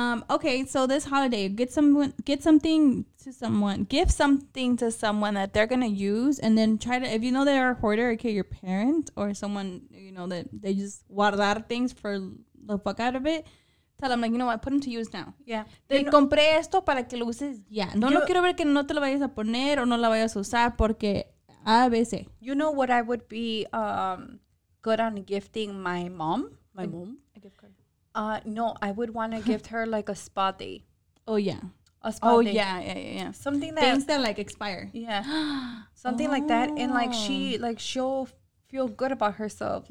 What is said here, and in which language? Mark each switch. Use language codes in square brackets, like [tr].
[en] Okay, so this holiday, give something to someone that they're going to use, and then try to, if you know they're a hoarder, okay, your parent or someone, you know, that they just guardar things for the fuck out of it, tell them, like, you know what, put them to use now. Yeah. [es] Te compré esto para que lo uses. Yeah. No, no quiero ver que no te lo vayas a poner o no la vayas a usar porque a veces. [en] You know what I would be good on gifting my mom? My mom? A gift card. No, I would want to gift her, like, a spa day. Oh, yeah. A spa day. Oh, yeah. Something that... Things that, like, expire. Yeah. Something like that. And, like, she'll feel good about herself.